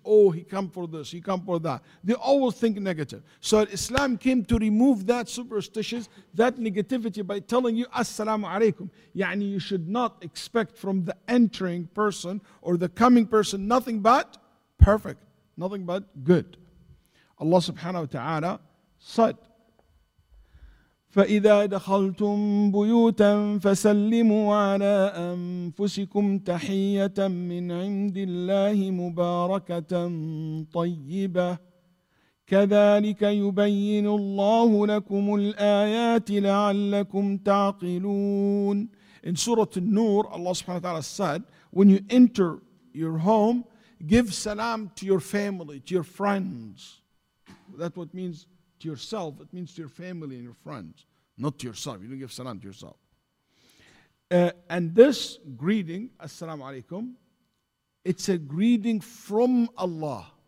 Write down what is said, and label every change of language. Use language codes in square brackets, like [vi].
[en] Oh, he come for this, he come for that. They always think negative. So Islam came to remove that superstitious, that negativity by telling you, assalamu alaikum. يعني you should not expect from the entering person or the coming person nothing but perfect, nothing but good. [ar] Allah subhanahu wa ta'ala said, فَإِذَا دَخَلْتُمْ بُيُوتًا فَسَلِّمُوا عَلَىٰ أَنفُسِكُمْ تَحِيَّةً مِّنْ عِنْدِ اللَّهِ مُبَارَكَةً طَيِّبَةً كَذَلِكَ يُبَيِّنُ اللَّهُ لَكُمُ الْآيَاتِ لَعَلَّكُمْ تَعْقِلُونَ. [en] In Surah An-Nur, Allah subhanahu wa ta'ala said, when you enter your home, give salam to your family, to your friends. That's what means yourself, it means to your family and your friends, not to yourself. You don't give salam to yourself. And this greeting, assalamu alaikum, it's a greeting from Allah.